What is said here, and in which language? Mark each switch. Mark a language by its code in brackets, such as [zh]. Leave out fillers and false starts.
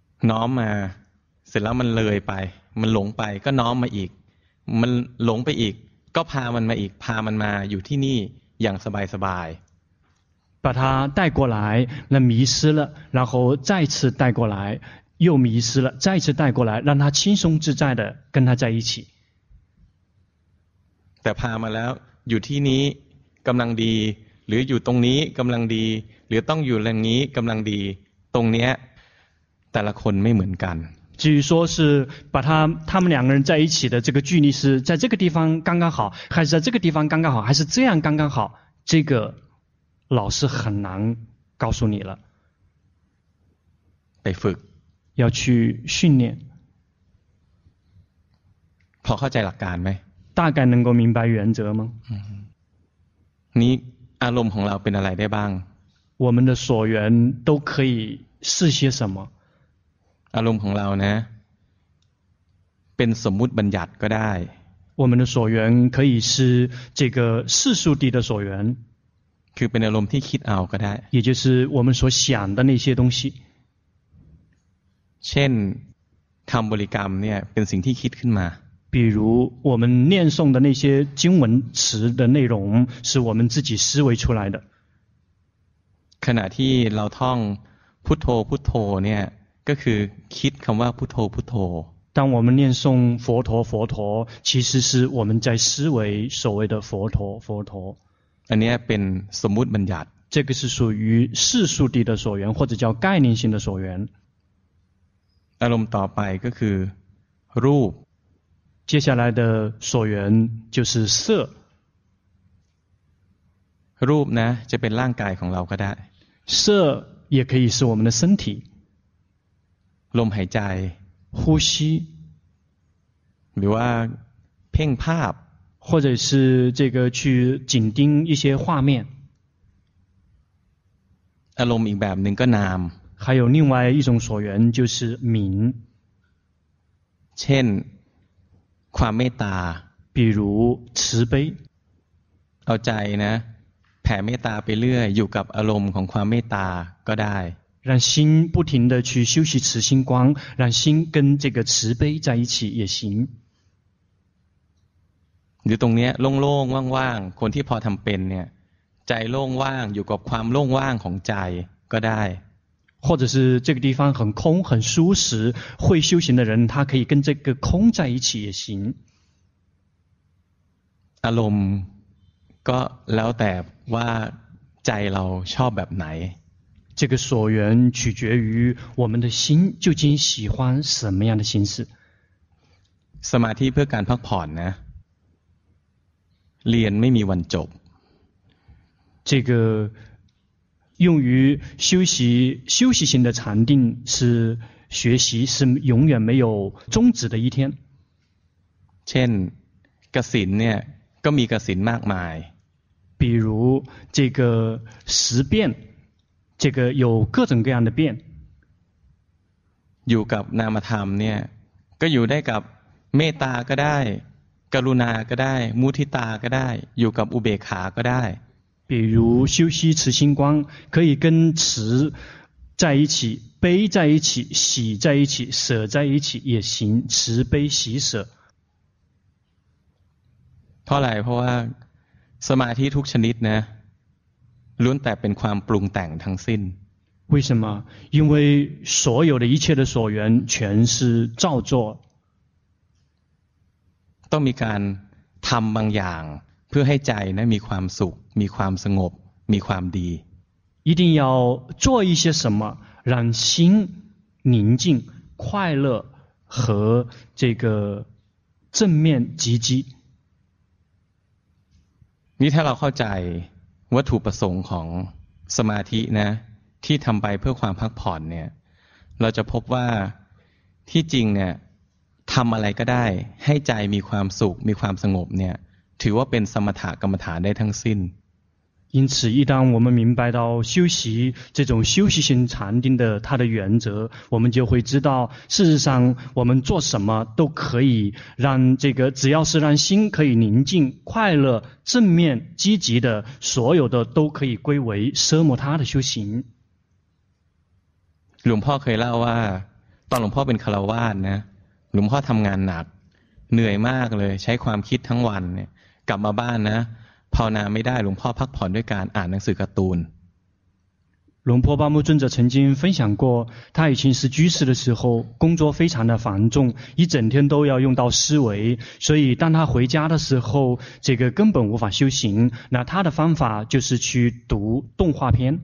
[th] น้อมมาเสร็จแล้วมันเลยไปมันหลงไปก็น้อมมาอีกมันหลงไปอีกก็พามันมาอีกพามันมาอยู่ที่นี่อย่างสบายสบาย [zh] 把它带过来那迷失了然后再次带过来又迷失了再次带过来让它轻松自在的跟它在一起 [th] แต่พามาแล้วอยู่ที่นี้กำลังดีหรืออยู่ตรงนี้กำลังดีหรือต้องอยู่แรงนี้กำลังดีตรงเนี้ยแต่ละคนไม่เหมือนกัน [zh] 至于说是把他们两个人在一起的这个距离是在这个地方刚刚好还是在这个地方刚刚好还是这样刚刚好这个老师很难告诉你了 [th] ไปฝึก [zh] 要去训练 [th] พอเข้าใจหลักการไหม [zh] 大概能够明白原则吗 [th] นี่อารมณ์ของเราเป็นอะไรได้บ้าง [zh] 我们的所缘都可以是些什么 [th] อารมณ์ของเรานะเป็นสมมุติบัญญัติก็ได้ [zh] 我们的所缘可以是这个世俗地的所缘 [th] คือเป็นอารมณ์ที่คิดเอาก็ได้ [zh] 也就是我们所想的那些东西 [th] เช่นคำบริกรรมเนี่ยเป็นสิ่งที่คิดขึ้นมา [zh] 比如我们念诵的那些经文词的内容是我们自己思维出来的 [th] ขณะที่เราท่องพุทโธพุทโธเนี่ยก็คือคิดคำว่าพุทโธพุทโธ [zh] 当我们念诵佛陀佛陀其实是我们在思维所谓的佛陀佛陀 [th] อันนี้เป็นสมมุติบัญญัติ [zh] 这个是属于世俗地的所缘或者叫概念性的所缘 [th] อารมณ์ต่อไปก็คือรูป [zh] 接下来的所缘就是色 [th] รูปนะจะเป็นร่างกายของเราก็ได้ [zh] 色也可以是我们的身体 [th] ลมหายใจ [zh] 呼吸 [th] หรือว่าเพ่งภาพ [zh] 或者是这个去紧盯一些画面 [th] อารมณ์อีกแบบหนึ่งก็นาม [zh] 还有另外一种所缘就是名 [th] เช่นความเมตตา [zh] 比如慈悲 [th] เอาใจนะแผ่เมตตาไปเรื่อยอยู่กับอารมณ์ของความเมตตาก็ได้ [zh] 让心不停地去修习慈心光让心跟这个慈悲在一起也行 [th] อยู่ตรงนี้โล่งๆว่างๆคนที่พอทำเป็นเนี่ยใจโล่งว่างอยู่กับความโล่งว่างของใจก็ได้ [zh] 或者是这个地方很空很舒适会修行的人他可以跟这个空在一起也行 [th] อารมณ์ก็แล้วแต่ว่าใจเราชอบแบบไหน [zh] 这个所缘取决于我们的心究竟喜欢什么样的形式 [th] สมาธิเพื่อการพักผ่อนนะเรียนไม่มีวันจบ [zh] 这个用于休息型的禅定是学习是永远没有终止的一天 [th] เช่นกสิณเนี่ยก็มีกสิณมากมาย [zh] 比如这个十遍这个有各种各样的变 [th] อยู่กับนามธรรมเนี่ยก็อยู่ได้กับเมตตาก็ได้กรุณาก็ได้มุทิตาก็ได้อยู่กับอุเบกขาก็ได้ [zh] 比如修习慈心光可以跟慈在一起悲在一起喜在一起舍在一起也行慈悲喜舍 [th] เพราะอะไรเพราะว่าสมาธิทุกชนิดนะล้วนแต่เป็นความปรุงแต่งทั้งสิ้น [zh] 为什么因为所有的一切的所缘全是造作 [th] ต้องมีการทำบางอย่างเพื่อให้ใจนะมีความสุขมีความสงบมีความดี [zh] 一定要做一些什么让心宁静快乐和这个正面积极 [th] นี่ถ้าเราเข้าใจ วัตถุประสงค์ของสมาธินะที่ทำไปเพื่อความพักผ่อนเนี่ยเราจะพบว่าที่จริงเนี่ยทำอะไรก็ได้ให้ใจมีความสุขมีความสงบเนี่ยถือว่าเป็นสมถกรรมฐานได้ทั้งสิ้น [zh] 因此一旦我们明白到修习这种修习性禅定的它的原则我们就会知道事实上我们做什么都可以让这个只要是让心可以宁静快乐正面积极的所有的都可以归为奢摩他的修行 [th] หลวงพ่อเคยเล่าว่าตอนหลวงพ่อเป็นคฤหัสถ์นะหลวงพ่อทำงานหนักเหนื่อยมากเลยใช้ความคิดทั้งวันเนี่ยกลับมาบ้านนะภาวนาไม่ได้หลวงพ่อพักผ่อนด้วยการอ่านหนังสือการ์ตูน [zh] หลวงพ่อบามุจุนจะ曾经分享过他以前是居士的时候工作非常的繁重一整天都要用到思维所以当他回家的时候这个根本无法修行那他的方法就是去读动画片